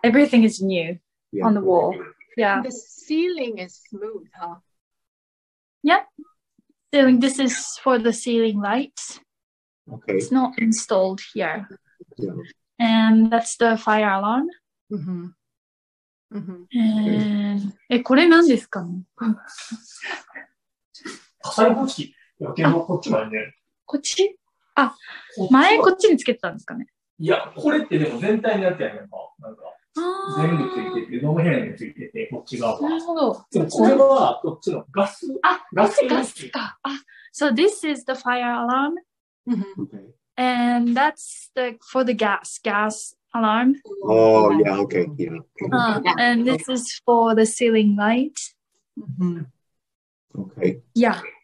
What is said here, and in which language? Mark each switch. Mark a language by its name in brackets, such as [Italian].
[English] Everything is new on the wall. Yeah. The ceiling is smooth, huh? Yeah. I mean, this is for the ceiling lights. Okay. It's not installed here. Yeah. And that's the fire alarm. Mm-hmm. Mm-hmm. [Japanese] And... え、これ何ですか? 火災報知器。余計もこっちまでね。こっち? あ、前こっちにつけたんですかね。いや、これってでも全体になってやるのか。なんか全部ついてて、ノーヘアについてて、こっち側は。なるほど。でもこれはこっちのガス。あ、ガスか。 [English] あ、So this is the fire alarm. Okay. And that's the for the gas alarm. Oh, yeah, okay. Yeah. And this is for the ceiling light. Okay. Yeah.